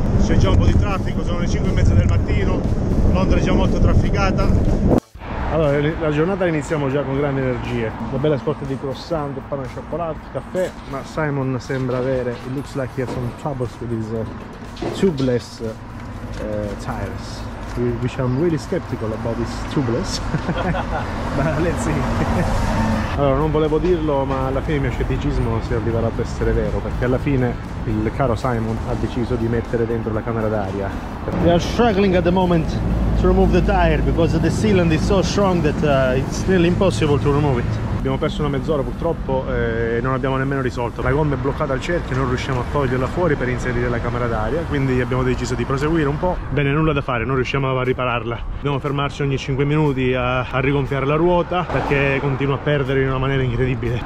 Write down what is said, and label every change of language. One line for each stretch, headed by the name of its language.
Italian: C'è già un po' di traffico, sono le 5:30 del mattino. Londra è già molto trafficata. Allora, la giornata iniziamo già con grandi energie. Una bella scorta di croissant, pane al cioccolato, caffè. Ma Simon sembra avere,
English: it looks like he has some troubles with his tubeless tires, which I'm really skeptical about this tubeless. But let's see.
Italian: Allora, non volevo dirlo, ma alla fine il mio scetticismo si è rivelato essere vero, perché alla fine il caro Simon ha deciso di mettere dentro la camera d'aria.
English: We are struggling at the moment to remove the tire because the sealant is so strong that it's nearly impossible to remove it.
Italian: Abbiamo perso una mezz'ora purtroppo e non abbiamo nemmeno risolto. La gomma è bloccata al cerchio e non riusciamo a toglierla fuori per inserire la camera d'aria, quindi abbiamo deciso di proseguire un po'. Bene, nulla da fare, non riusciamo a ripararla. Dobbiamo fermarci ogni 5 minuti a rigonfiare la ruota perché continua a perdere in una maniera incredibile.